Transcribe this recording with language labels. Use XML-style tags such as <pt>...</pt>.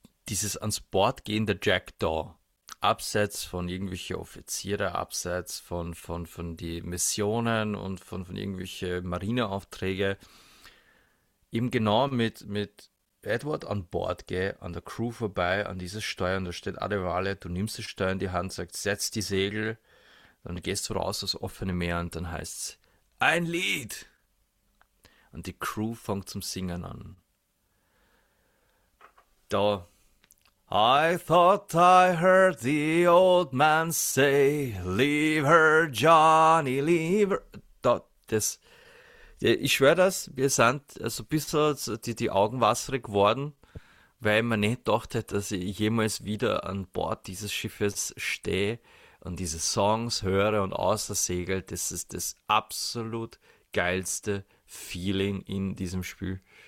<de>Dieses ans Board gehende Jackdaw, abseits von irgendwelchen Offiziere, abseits von die Missionen und von irgendwelchen Marineaufträgen, eben genau mit Edward an Bord gehe, an der Crew vorbei, an dieses Steuer, und da steht alle Wale, du nimmst das Steuer in die Hand, sagst, setz die Segel, dann gehst du raus aufs offene Meer und dann heißt's ein Lied! Und die Crew fängt zum Singen an. Da.</de> <en>I thought I heard the old man say, leave her, Johnny, leave her.</en> <de>Da, das. Ich schwöre das, wir sind so ein bisschen die Augen wasserig geworden, weil man nicht gedacht hätte, dass ich jemals wieder an Bord dieses Schiffes stehe und diese Songs höre und außer Segel. Das ist das absolut geilste Feeling in diesem Spiel.</de>